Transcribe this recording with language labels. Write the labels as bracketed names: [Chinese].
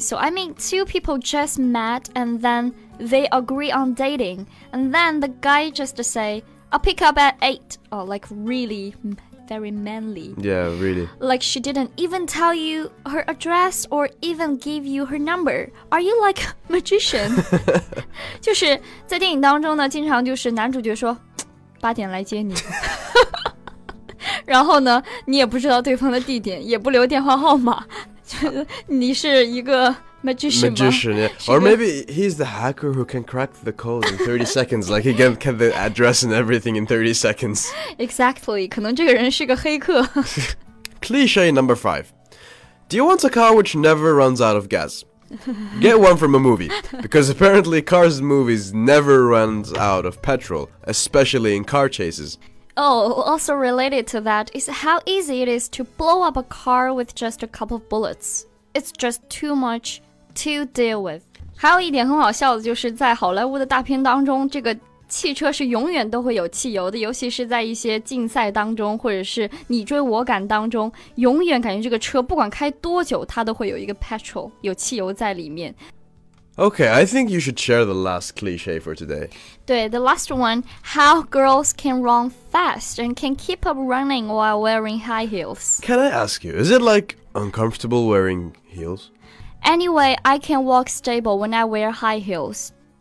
[English] So, I mean, two people just met and then they agree on dating. And then the guy just say, I'll pick up at 8. Oh, like, really, very manly. Yeah, really. Like, she didn't even tell you her address or even give you her number. Are you, like, a magician? [Chinese] 就是在电影当中呢，经常就是男主角说，八点来接你。然后呢，你也不知道对方的地点，也不留电话号码。你是一个 magician 吗? [English] Magician, yeah. Or maybe he's the hacker who can crack the code in 30 seconds. Like, he can get the address and everything in 30 seconds. Exactly. [Chinese] 可能这个人是个黑客。 [English] Cliche number 5. Do you want a car which never runs out of gas? Get one from a movie. Because apparently cars in movies never run out of petrol, especially in car chases. Oh, also related to that is how easy it is to blow up a car with just a couple of bullets. It's just too much to deal with. [Chinese] 还有一点很好笑的就是在好莱坞的大片当中，这个汽车是永远都会有汽油的，尤其是在一些竞赛当中或者是你追我赶当中，永远感觉这个车不管开多久，它都会有一个 petrol, 有汽油在里面。 [English] Okay, I think you should share the last cliche for today. 对, the last one, how girls can run fast and can keep up running while wearing high heels. Can I ask you, is it like uncomfortable wearing heels? Anyway, I can walk stable when I wear high heels.